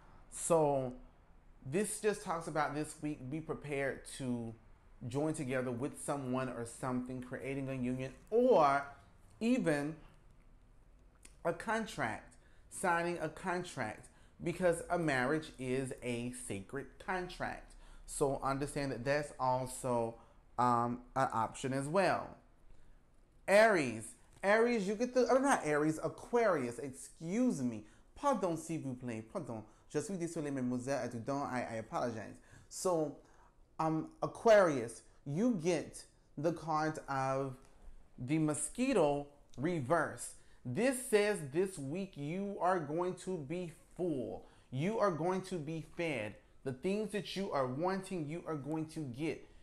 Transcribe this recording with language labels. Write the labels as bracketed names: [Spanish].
[English] So this just talks about this week, be prepared to join together with someone or something, creating a union or even a contract, signing a contract, because a marriage is a sacred contract. So understand that that's also an option as well. Aries, you get the, or not Aries, Aquarius, excuse me. [French] Pardon, s'il vous plaît, pardon. Je suis désolé, mademoiselle, [English] I apologize. So Aquarius, you get the card of the mosquito reverse. This says this week you are going to be full. You are going to be fed. The things that you are wanting, you are going to get.